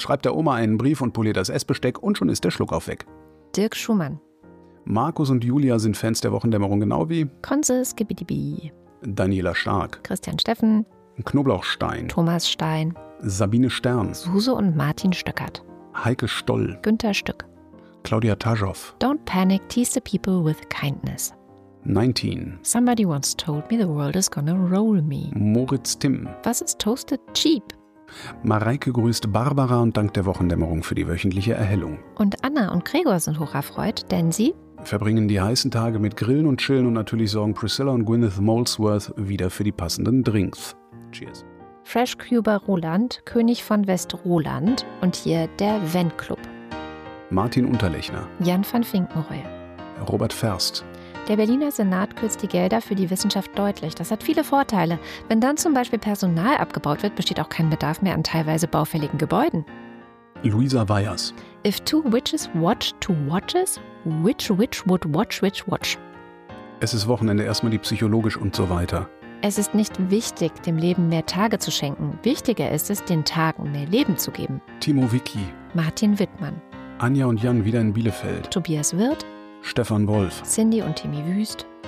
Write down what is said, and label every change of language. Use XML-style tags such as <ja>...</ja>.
<de>Schreib der Oma einen Brief und polier das Essbesteck. Und schon ist der Schluckauf weg. Dirk Schumann. Markus und Julia sind Fans der Wochendämmerung, genau wie Konse Skibidibi. Daniela Stark. Christian Steffen. Knoblauchstein. Thomas Stein. Sabine Stern. Suse und Martin Stöckert. Heike Stoll. Günther Stück. Claudia Tajov.</de> <en>Don't panic, tease the people with kindness.</en> <de>19.</de> <en>Somebody once told me the world is gonna roll me.</en> <de>Moritz Timm. Was ist</de> <en>toasted cheap?</en> <de>Mareike grüßt Barbara und dankt der Wochendämmerung für die wöchentliche Erhellung. Und Anna und Gregor sind hoch erfreut, denn sie verbringen die heißen Tage mit Grillen und Chillen und natürlich sorgen Priscilla und Gwyneth Molesworth wieder für die passenden Drinks.</de> <en>Cheers.</en> <de>Fresh Cuba Roland, König von West Roland und hier der Van Club. Martin Unterlechner. Jan van Finkenreue. Robert Ferst. Der Berliner Senat kürzt die Gelder für die Wissenschaft deutlich. Das hat viele Vorteile. Wenn dann zum Beispiel Personal abgebaut wird, besteht auch kein Bedarf mehr an teilweise baufälligen Gebäuden. Luisa Weyers.</de> <en>If two witches watch two watches, which witch would watch which watch?</en> <de>Es ist Wochenende, erstmal die psychologisch und so weiter. Es ist nicht wichtig, dem Leben mehr Tage zu schenken. Wichtiger ist es, den Tagen mehr Leben zu geben. Timo Wicki. Martin Wittmann. Anja und Jan wieder in Bielefeld. Tobias Wirth. Stefan Wolf. Cindy und Timi Wüst.</de>